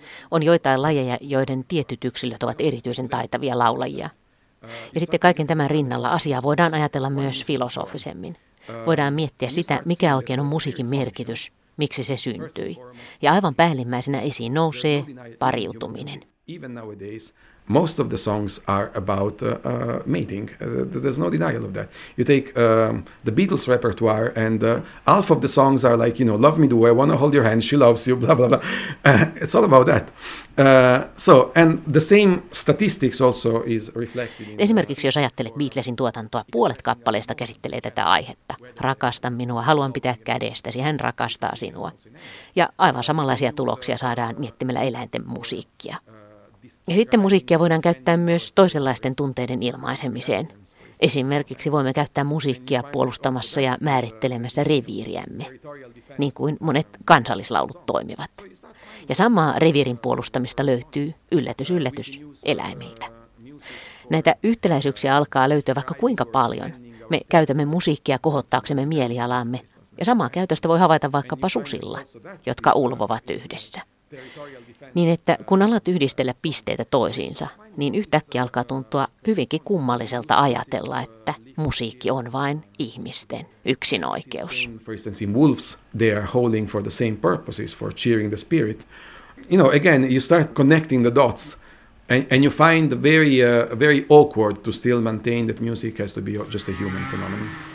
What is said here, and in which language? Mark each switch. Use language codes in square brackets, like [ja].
[fi] On joitain lajeja, joiden tietyt yksilöt ovat erityisen taitavia laulajia. Ja sitten kaiken tämän rinnalla asiaa voidaan ajatella myös filosofisemmin. Voidaan miettiä sitä, mikä oikein on musiikin merkitys, miksi se syntyi. Ja aivan päällimmäisenä esiin nousee pariutuminen. [en] Even nowadays, most of the songs are about mating. There's no denial of that. You take the Beatles repertoire and half of the songs are like, you know, love me do, I wanna hold your hand, she loves you, blah, blah, blah. It's all about that. And the same statistics also is reflected in... [fi] Esimerkiksi jos ajattelet Beatlesin tuotantoa, puolet kappaleista käsittelee tätä aihetta. Rakasta minua, haluan pitää kädestäsi, hän rakastaa sinua. Ja aivan samanlaisia tuloksia saadaan miettimällä eläinten musiikkia. Ja sitten musiikkia voidaan käyttää myös toisenlaisten tunteiden ilmaisemiseen. Esimerkiksi voimme käyttää musiikkia puolustamassa ja määrittelemässä reviiriämme, niin kuin monet kansallislaulut toimivat. Ja samaa reviirin puolustamista löytyy, yllätys, yllätys, eläimiltä. Näitä yhtäläisyyksiä alkaa löytyä vaikka kuinka paljon. Me käytämme musiikkia kohottaaksemme mielialaamme, ja samaa käytöstä voi havaita vaikkapa susilla, jotka ulvovat yhdessä. Niin että kun alat yhdistellä pisteitä toisiinsa, niin yhtäkkiä alkaa tuntua hyvinkin kummalliselta ajatella, että musiikki on vain ihmisten yksinoikeus. [en] For instance, in wolves, they are howling for the same purposes, for cheering the spirit. You know, again, you start connecting the dots and you find very, very awkward to still maintain that music has to be just a human phenomenon.